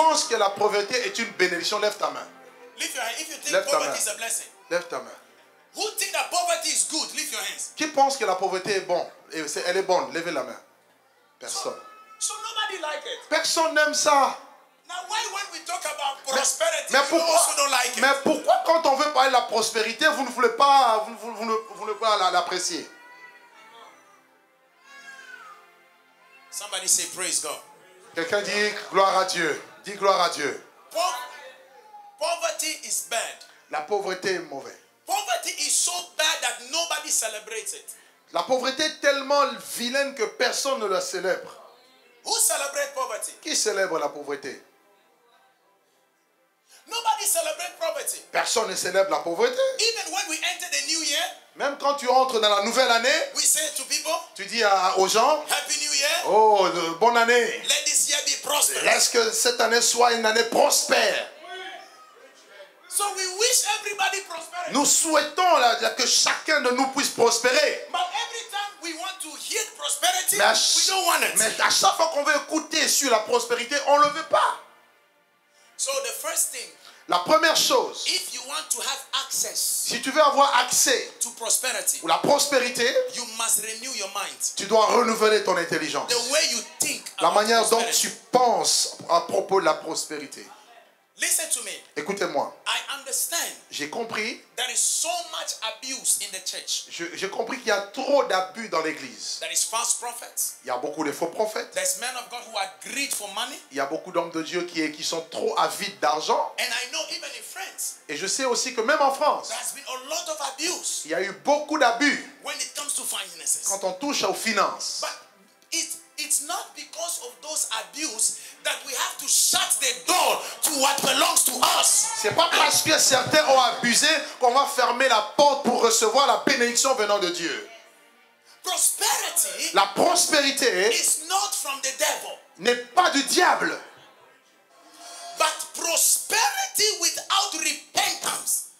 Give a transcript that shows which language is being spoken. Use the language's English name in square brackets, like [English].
[French] penses que la pauvreté est une bénédiction, lève ta main. [English] Lift your hand if you think poverty is a blessing. [French] Lève ta main. [English] Who think that poverty is good? Lift your hands. [French] Qui pense que la pauvreté est bonne? Levez la main. Personne. [English] So nobody like it. [French] Personne n'aime ça. [English] Now why when we talk about prosperity, you also don't like it? [French] Mais pourquoi quand on veut parler de la prospérité, vous ne voulez pas l'apprécier? [English] Somebody say praise God. [French] Quelqu'un dit gloire à Dieu. Dis gloire à Dieu. [English] Poverty is bad. [French] La pauvreté est mauvaise. [English] Poverty is so bad that nobody celebrates it. [French] La pauvreté est tellement vilaine que personne ne la célèbre. [English] Who celebrates poverty? [French] Qui célèbre la pauvreté? [English] Nobody celebrates poverty. [French] Personne ne célèbre la pauvreté. [English] Even when we enter the new year, [French] même quand tu entres dans la nouvelle année, [English] we say to people, [French] tu dis aux gens, [English] Happy New Year. [French] Oh, bonne année. [English] Let this year be prosperous. [French] Laisse que cette année soit une année prospère. [English] So we wish everybody prosperity. [French] Nous souhaitons que chacun de nous puisse prospérer. [English] But every time we want to hear prosperity, we don't want it. [French] Mais à chaque fois qu'on veut écouter sur la prospérité, on le veut pas. [English] So the first thing, [French] la première chose, [English] if you want to have access, [French] si tu veux avoir accès [English] to prosperity, [French] ou la prospérité, [English] you must renew your mind. [French] Tu dois renouveler ton intelligence. [English] The way you think, [French] la manière dont tu penses à propos de la prospérité. [English] Listen to me. [French] Écoutez-moi. [English] I understand. [French] J'ai compris. [English] There is so much abuse in the church. [French] J'ai compris qu'il y a trop d'abus dans l'église. [English] There is false prophets. [French] Il y a beaucoup de faux prophètes. [English] There's men of God who are greedy for money. [French] Il y a beaucoup d'hommes de Dieu qui sont trop avides d'argent. [English] And I know even in France. [French] Et je sais aussi que même en France. [English] There's been a lot of abuse. [French] Il y a eu beaucoup d'abus. [English] When it comes to finances. [French] Quand on touche aux finances. [English] But it's not because of those abuse that we have to shut the door to what belongs to us. [French] C'est pas parce que certains ont abusé qu'on va fermer la porte pour recevoir la bénédiction venant de Dieu. [English] Prosperity, [French] la prospérité, [English] is not from the devil. [French] N'est pas du diable. [English] But prosperity without repentance.